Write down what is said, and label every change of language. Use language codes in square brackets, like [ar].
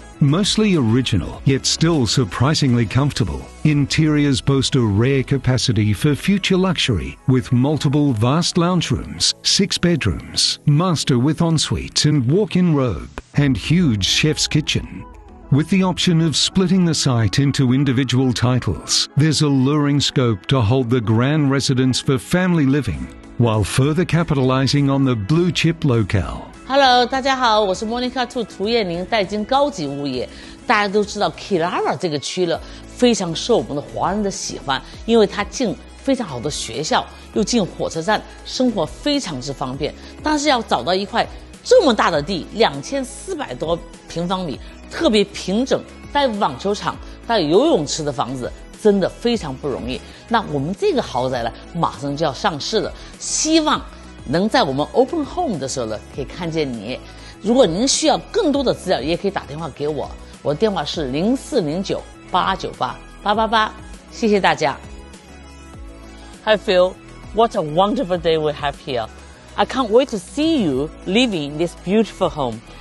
[en] Mostly original, yet still surprisingly comfortable, interiors boast a rare capacity for future luxury with multiple vast lounge rooms, six bedrooms, master with ensuite and walk-in robe, and huge chef's kitchen. With the option of splitting the site into individual titles, there's alluring scope to hold the grand residence for family living, while further capitalising on the blue chip locale. [zh] Hello, 大家好，我是 Monica Two 涂彦宁，代金高级物业。大家都知道 Killara 这个区了，非常受我们的华人的喜欢，因为它近非常好的学校，又近火车站，生活非常之方便。但是要找到一块这么大的地，2400多平方米。特别平整，带网球场、带游泳池的房子，真的非常不容易。那我们这个豪宅呢，马上就要上市了，希望能在我们 open home 的时候呢，可以看见你。如果您需要更多的资料，也可以打电话给我，我的电话是0409-898-888。谢谢大家。 [en] Hi Phil, what a wonderful day we have here. I can't wait to see you living in this beautiful home.